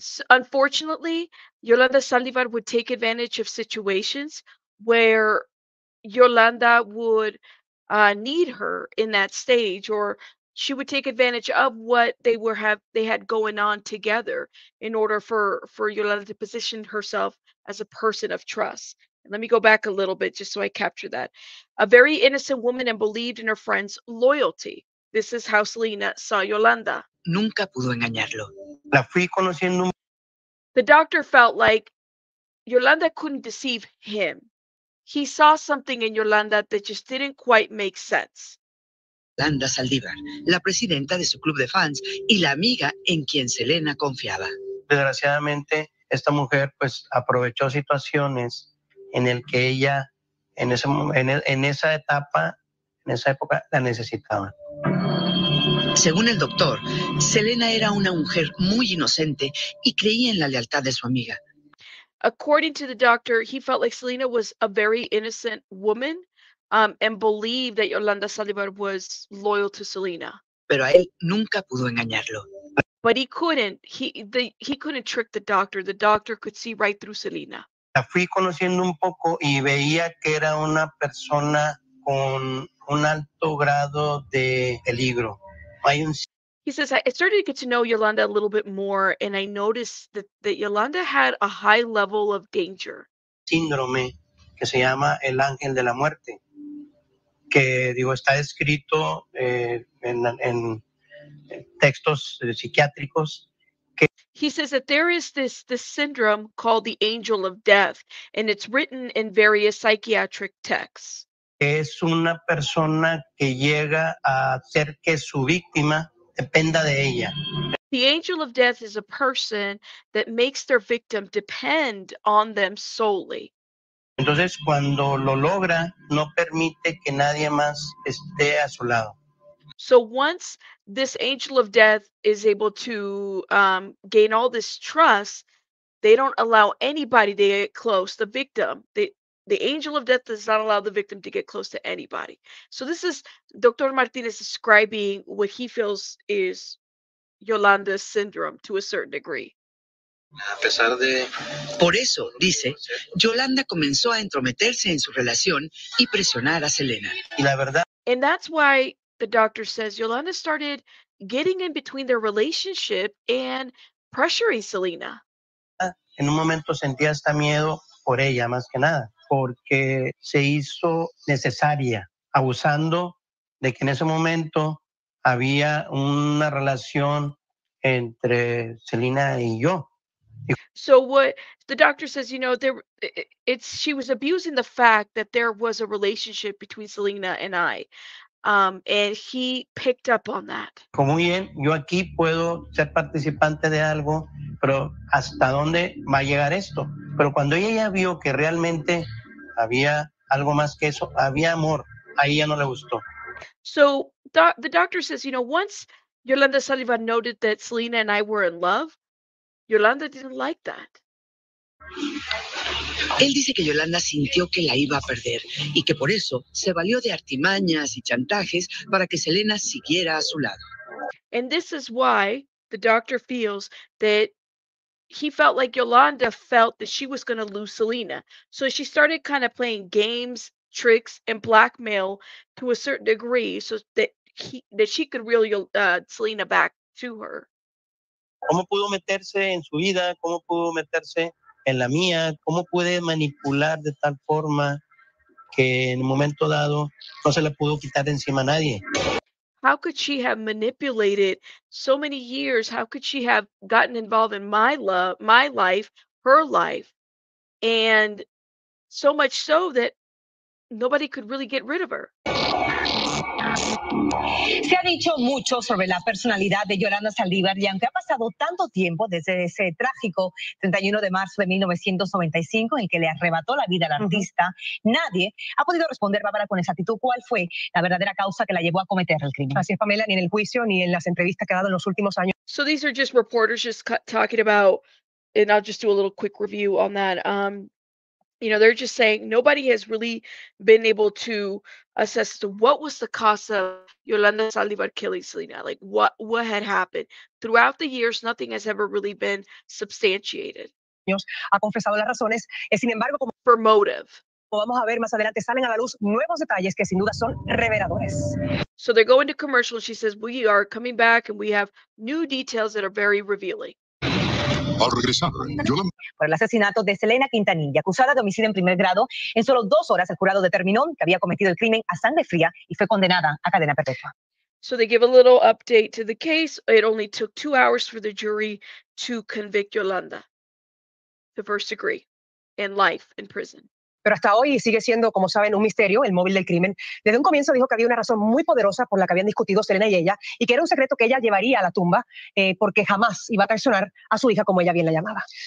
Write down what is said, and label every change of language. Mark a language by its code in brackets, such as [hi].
[en] Unfortunately, Yolanda Saldivar would take advantage of situations where Yolanda would need her in that stage, or she would take advantage of what they had going on together in order for Yolanda to position herself as a person of trust. And let me go back a little bit just so I capture that. A very innocent woman and believed in her friend's loyalty. This is how Selena saw Yolanda. [es] Nunca pudo engañarlo. La fui conociendo. [en] The doctor felt like Yolanda couldn't deceive him. He saw something in Yolanda that just didn't quite make sense. [es] Yolanda Saldivar, la presidenta de su club de fans y la amiga en quien Selena confiaba. Desgraciadamente, esta mujer pues aprovechó situaciones en el que ella en esa época la necesitaba. Según el doctor, Selena era una mujer muy inocente y creía en la lealtad de su amiga. [en] According to the doctor, he felt like Selena was a very innocent woman and believed that Yolanda Saldivar was loyal to Selena. [es] Pero a él nunca pudo engañarlo. [en] But he couldn't. He couldn't trick the doctor. The doctor could see right through Selena. [es] La fui conociendo un poco y veía que era una persona con un alto grado de peligro. [en] He says, I started to get to know Yolanda a little bit more, and I noticed that Yolanda had a high level of danger. [es] Síndrome que se llama el ángel de la muerte, que digo está escrito en textos psiquiátricos. [en] He says that there is this syndrome called the angel of death, and it's written in various psychiatric texts. [es] Es una persona que llega a hacer que su víctima dependa de ella. [en] The angel of death is a person that makes their victim depend on them solely. [es] Entonces, cuando lo logra, no permite que nadie más esté a su lado. [en] So once this angel of death is able to gain all this trust, they don't allow anybody to get close, the victim. The angel of death does not allow the victim to get close to anybody. So this is Dr. Martinez describing what he feels is Yolanda's syndrome to a certain degree. [es] A pesar de... Por eso, dice, Yolanda comenzó a entrometerse en su relación y presionar a Selena. Y la verdad... [en] And that's why the doctor says Yolanda started getting in between their relationship and pressuring Selena. [es] En un momento sentía hasta miedo por ella, más que nada. Porque se hizo necesaria, abusando de que en ese momento había una relación entre Selena y yo. [en] So what the doctor says, you know, she was abusing the fact that there was a relationship between Selena and I. And he picked up on that. [es] Como bien, yo aquí puedo ser participante de algo, pero ¿hasta dónde va a llegar esto? Pero cuando ella vio que realmente... había algo más que eso, había amor. Ahí ya no le gustó. [en] So the doctor says, you know, once Yolanda Saldivar noted that Selena and I were in love, Yolanda didn't like that. [es] Él dice que Yolanda sintió que la iba a perder y que por eso se valió de artimañas y chantajes para que Selena siguiera a su lado. [en] And this is why the doctor feels that he felt like Yolanda felt that she was going to lose Selena. So she started kind of playing games, tricks, and blackmail to a certain degree so that she could reel Selena back to her. [es] ¿Cómo pudo meterse en su vida? ¿Cómo pudo meterse en la mía? ¿Cómo pude manipular de tal forma que en un momento dado no se le pudo quitar encima a nadie? [en] How could she have manipulated so many years? How could she have gotten involved in my love, my life, her life? And so much so that nobody could really get rid of her. [es] Se ha dicho mucho sobre la personalidad de Yolanda Saldivar, y aunque ha pasado tanto tiempo desde ese trágico 31 de marzo de 1995 en que le arrebató la vida al artista, nadie ha podido responder, Bárbara, con exactitud cuál fue la verdadera causa que la llevó a cometer el crimen. Así es, Pamela, ni en el juicio ni en las entrevistas que ha dado en los últimos años. [en] So these are just reporters just talking about, and I'll just do a little quick review on that. You know, they're just saying nobody has really been able to assess what was the cause of Yolanda Saldivar killing Selena. Like, what had happened? Throughout the years, nothing has ever really been substantiated. [es] Ha confesado las razones. Sin embargo, como [en] for motive. [es] Vamos a ver más adelante, salen a la luz nuevos detalles que sin duda son reveladores. [en] So they're going to commercial. She says, we are coming back and we have new details that are very revealing. [es] Por el asesinato de Selena Quintanilla, acusada de homicidio en primer grado, en solo 2 horas el jurado determinó que había cometido el crimen a sangre fría y fue condenada a cadena perpetua. [en] So they give a little update to the case. It only took 2 hours for the jury to convict Yolanda, the first degree, and life in prison. [es] Pero hasta hoy sigue siendo, como saben, un misterio el móvil del crimen. Desde un comienzo dijo que había una razón muy poderosa por la que habían discutido Selena y ella, y que era un secreto que ella llevaría a la tumba porque jamás iba a traicionar a su hija como ella bien la llamaba.